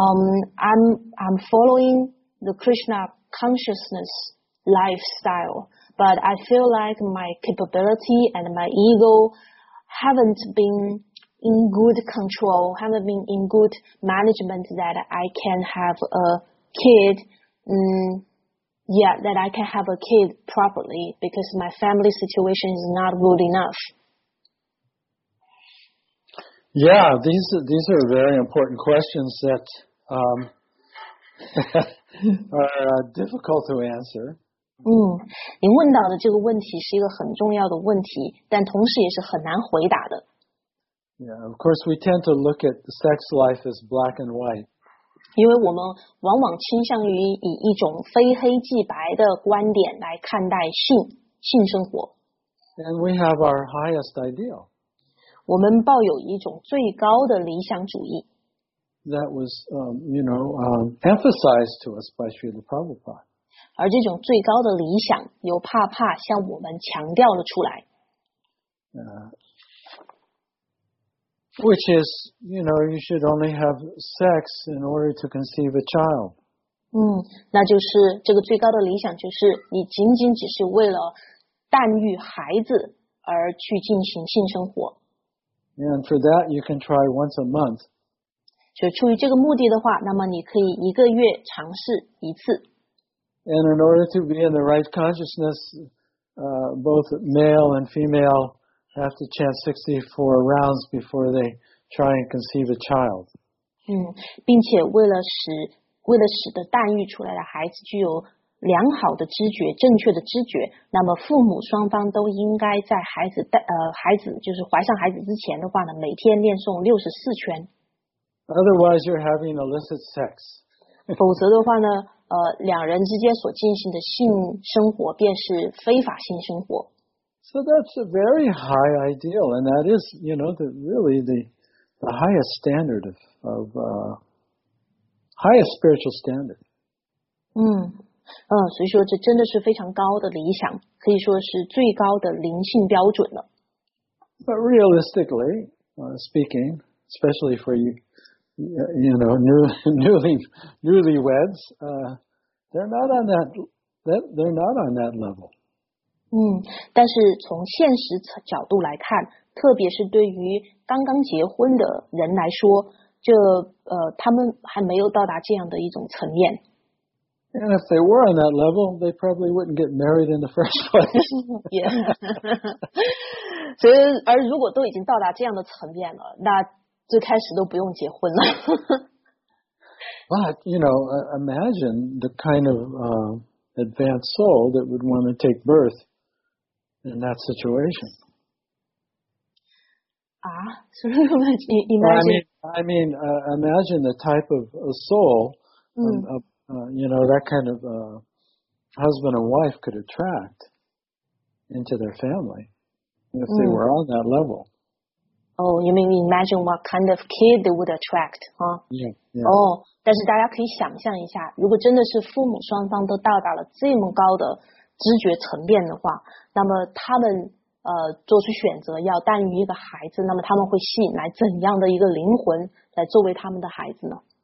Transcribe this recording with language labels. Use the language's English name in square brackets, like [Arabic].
[English] I'm following the Krishna consciousness lifestyle, but I feel like my capability and my ego haven't beenin good control, haven't been in good management that I can have a kid, that I can have a kid properly because my family situation is not good enough. Yeah, these are very important questions that are difficult to answer. [Chinese] 嗯，你问到的这个问题是一个很重要的问题，但同时也是很难回答的。 [English] Yeah, of course, we tend to look at the sex life as black and white. [Chinese] 因为我们往往倾向于以一种非黑即白的观点来看待性生活。 [English] And we have our highest ideal. [Chinese] 我们抱有一种最高的理想主义。 [English] That was, emphasized to us by Srila Prabhupada. [Chinese] 而这种最高的理想由帕帕向我们强调了出来。 [English] Which is, you know, you should only have sex in order to conceive a child. [Chinese] 那就是这个最高的理想就是你仅仅只是为了诞育孩子而去进行性生活。 [English] And for that, you can try once a month. [Chinese] 就出于这个目的的话，那么你可以一个月尝试一次。 [English] And in order to be in the right consciousness, both male and female,have to chant 64 rounds before they try and conceive a child. [Chinese] 并且为了使得诞育出来的孩子具有良好的知觉，正确的知觉，那么父母双方都应该在孩子就是怀上孩子之前的话呢，每天念诵64圈。 [English] Otherwise, you're having illicit sex. [Chinese] 否则的话呢，两人之间所进行的性生活便是非法性生活。 [English] So that's a very high ideal, and that is, you know, the highest standard of highest spiritual standard. [Chinese] 所以说这真的是非常高的理想，可以说是最高的灵性标准了。 [English] But realistically speaking, especially for newlyweds, they're not on that level. [Chinese] 但是从现实角度来看，特别是对于刚刚结婚的人来说，他们还没有到达这样的一种层面。 [English] And if they were on that level, they probably wouldn't get married in the first place. Yeah. [Chinese] 所以，而如果都已经到达这样的层面了，那最开始都不用结婚了。 [English] But, you know, imagine the kind of advanced soul that would want to take birth in that situation. Imagine the type of a soul, that kind of husband and wife could attract into their family if they were on that level. Oh, you mean imagine what kind of kid they would attract, huh? Yeah, yeah. [Chinese] Oh, 但是大家可以想象一下，如果真的是父母双方都到达了这么高的知觉层面的话，那么他们做出选择要诞育一个孩子，那么他们会吸引来怎样的一个灵魂来作为他们的孩子呢？